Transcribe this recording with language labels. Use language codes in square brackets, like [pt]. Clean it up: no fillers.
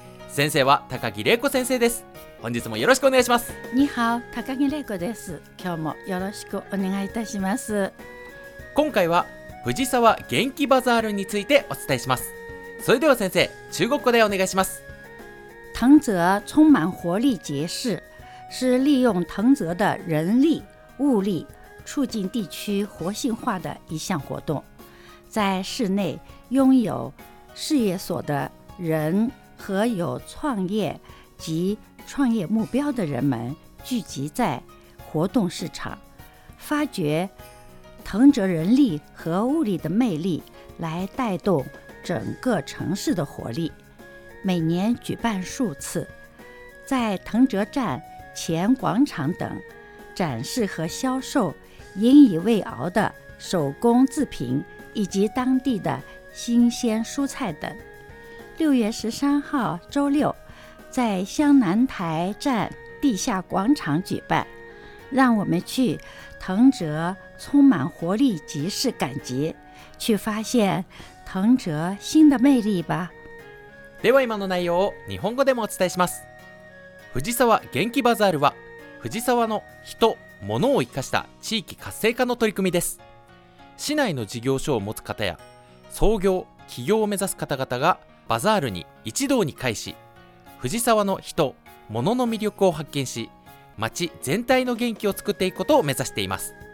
[ja] 先生は高木玲子先生です。本日もよろしくお願いします。 [zh] 你好、 [ja] 高木玲子です。今日もよろしくお願いいたします。今回は藤沢元気バザールについてお伝えします。それでは先生、中国語でお願いします。 [zh] 藤泽充满活力结市，是利用藤泽的人力、物力，促进地区活性化的一项活动。在市内拥有事业所的人和有创业及创业目标的人们聚集在活动市场，发掘藤泽人力和物力的魅力，来带动整个城市的活力。每年举办数次，在藤泽站前广场等展示和销售引以为傲的手工制品以及当地的新鲜蔬菜等。 6月13号周六在湘南台站地下广场举办，让我们去藤泽充满活力集市赶集，去发现藤泽新的魅力吧。 [ja] では今の内容を日本語でもお伝えします。藤沢元気バザールは藤沢の人、物を生かした地域活性化の取り組みです。市内の事業所を持つ方や創業・起業を目指す方々がバザールに一堂に会し、藤沢の人、物の魅力を発見し、町全体の元気を作っていくことを目指しています。